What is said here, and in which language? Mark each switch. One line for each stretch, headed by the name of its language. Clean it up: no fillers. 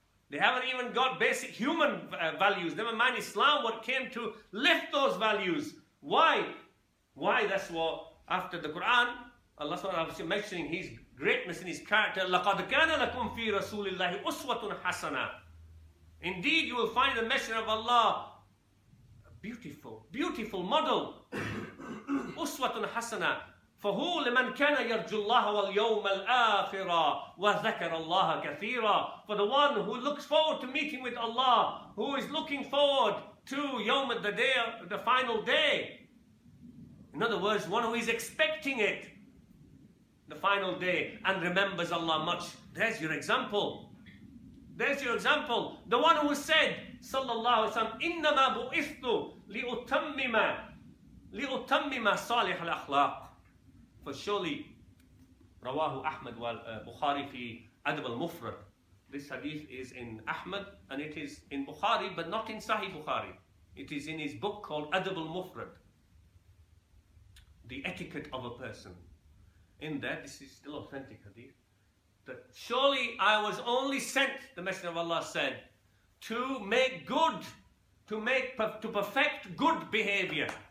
English: They haven't even got basic human values, never mind Islam, what came to lift those values. Why? Why? That's what, after the Quran, Allah subhanahu wa ta'ala mentioning His greatness and His character,
Arabic: لَقَدْ كَانَ لَكُمْ فِي رَسُولِ اللَّهِ أُسْوَةٌ حَسَنًا.
English: Indeed, you will find the Messenger of Allah a beautiful, beautiful model.
Arabic: Uswatun hasana, فهو لمن كان يرجو الله واليوم الآخرة وذكر الله كثيرا.
English: For the one who looks forward to meeting with Allah, who is looking forward to Yawm, the day, the final day. In other words, one who is expecting it, the final day, and remembers Allah much. There's your example. There's your example. The one who said,
Arabic: sallallahu alaihi wasallam, إِنَّمَا بُعِثْتُ لِأُتَمِّمَ لِأُتَمِّمَ صَالِحَ الْأَخْلَاقِ.
English: For surely,
Arabic: رواه أحمد والبخاري في أدب المفرد.
English: This hadith is in Ahmad and it is in Bukhari, but not in Sahih Bukhari. It is in his book called Adab al-Mufrad, The Etiquette of a Person. In there, this is still authentic hadith, that surely I was only sent, the Messenger of Allah said, to make good, to perfect good behavior.